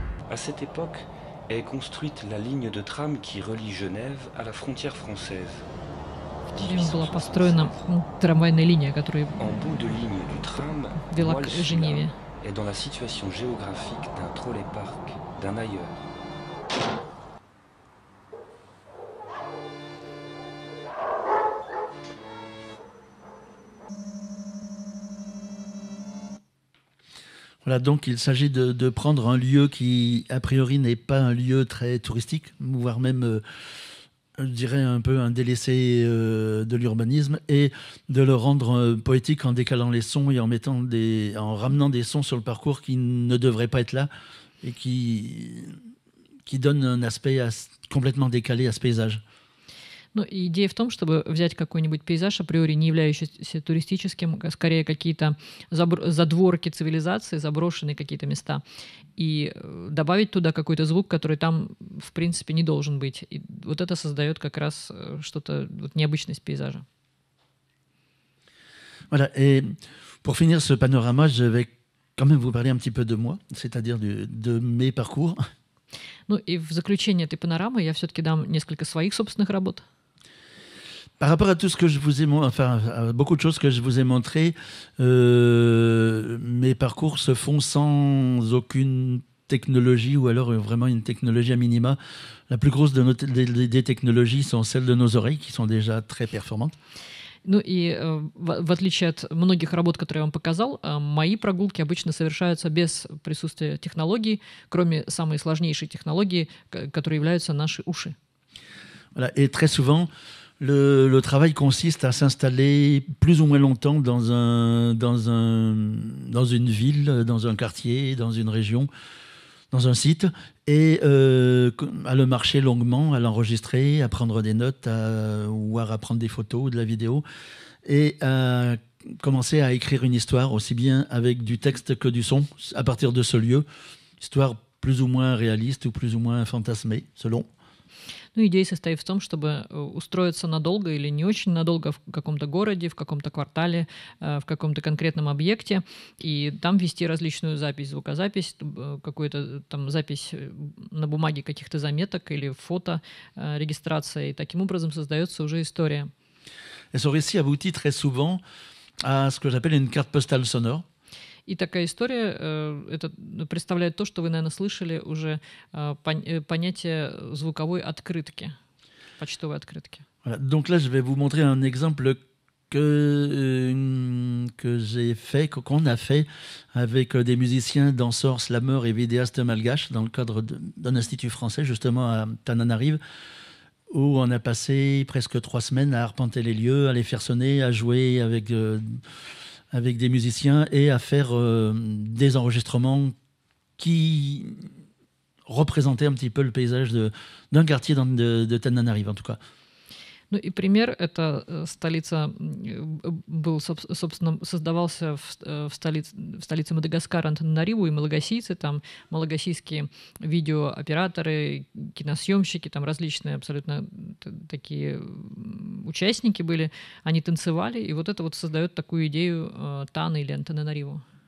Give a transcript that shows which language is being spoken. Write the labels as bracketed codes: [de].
[fr] À cette époque est construite la ligne de tram qui relie Genève à la frontière française. [ru] Была построена трамвайная линия, которая [fr] en bout de ligne du tram, [ru] вела к Женеве. [fr] Est dans la situation géographique d'un trolley-park, d'un ailleurs. Voilà, donc il s'agit de prendre un lieu qui, a priori, n'est pas un lieu très touristique, voire même, je dirais, un peu un délaissé de l'urbanisme, et de le rendre poétique en décalant les sons et en ramenant des sons sur le parcours qui ne devraient pas être là et qui donnent un aspect complètement décalé à ce paysage. [ru] Ну, идея в том, чтобы взять какой-нибудь пейзаж, априори не являющийся туристическим, а скорее какие-то задворки цивилизации, заброшенные какие-то места, и добавить туда какой-то звук, который там, в принципе, не должен быть. И вот это создает как раз что-то, вот необычность пейзажа. [fr] Voilà, et pour finir ce panorama, je vais quand même vous parler un petit peu de moi, c'est-à-dire de mes parcours. [ru] Ну, и в заключение этой панорамы я все-таки дам несколько своих собственных работ. [fr] Par rapport à tout ce que je vous ai à beaucoup de choses que je vous ai montré, mes parcours se font sans aucune technologie ou alors vraiment une technologie à minima. La plus grosse de des technologies sont celles de nos oreilles qui sont déjà très performantes. [ru] Ну и в отличие от многих работ, которые я вам показал, мои прогулки обычно совершаются без присутствия технологий, кроме самой сложнейшей технологии, которой являются наши уши. [fr] Voilà, et très souvent Le travail consiste à s'installer plus ou moins longtemps dans une ville, dans un quartier, dans une région, dans un site, et à le marcher longuement, à l'enregistrer, à prendre des notes, à prendre des photos ou de la vidéo, et à commencer à écrire une histoire, aussi bien avec du texte que du son, à partir de ce lieu. Histoire plus ou moins réaliste ou plus ou moins fantasmée, selon. [ru] Ну, идея состоит в том, чтобы устроиться надолго или не очень надолго в каком-то городе, в каком-то квартале, в каком-то конкретном объекте, и там вести различную запись, звукозапись, какую-то там запись на бумаге каких-то заметок или фото, регистрация, и таким образом создается уже история. [fr] Et ce récit aboutit très souvent à ce que j'appelle une carte postale sonore. [ru] И такая история это представляет то, что вы, наверное, слышали уже понятие звуковой открытки, почтовой открытки. [fr] Voilà. Donc là, je vais vous montrer un exemple que j'ai fait, qu'on a fait avec des musiciens, danseurs, slameurs et vidéastes malgaches dans le cadre d'un institut français, justement à Tananarive, où on a passé presque trois semaines à arpenter les lieux, à les faire sonner, à jouer avec... avec des musiciens et à faire des enregistrements qui représentaient un petit peu le paysage d'un quartier de Tananarive, en tout cas. [ru] Ну и пример, это столица был, собственно, создавался в столице Мадагаскара, Антананариву, и малагасийцы, там малагасийские видеооператоры, киносъемщики, там различные абсолютно такие участники были, они танцевали, и вот это вот создает такую идею Таны или Антананариву.